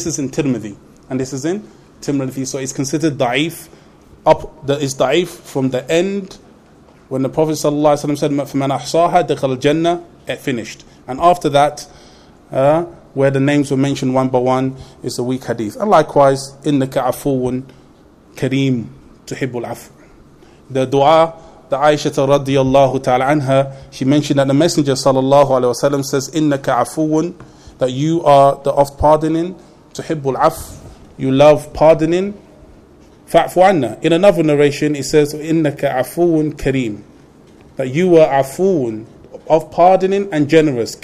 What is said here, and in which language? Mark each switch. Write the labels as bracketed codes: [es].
[en] This is in Tirmidhi, and this is in Tirmidhi, so it's considered da'if. Up, that is da'if from the end when the Prophet sallallahu alaihi wasallam said, [ar] فَمَنْ أَحْصَاهَا دَخَلَ الْجَنَّةِ, [en] it finished. And after that, where the names were mentioned one by one, is a weak hadith. And likewise, [ar] إِنَّكَ عَفُوٌ كَرِيمٌ تُحِبُّ الْعَفْوُ. [en] The dua that Aisha radiallahu ta'ala anha, she mentioned that the Messenger sallallahu alayhi wa sallam says, [ar] إِنَّكَ عَفُوٌ, [en] that you are the of pardoning, [ar] تُحِبُّ الْعَفْوُ, [en] you love pardoning, [ar] فَعْفُ عَنَّا. [en] In another narration, it says, [ar] إِنَّكَ عَفُوٌ كَرِيمٌ, [en] that you are عَفُوٌ, of pardoning and generous.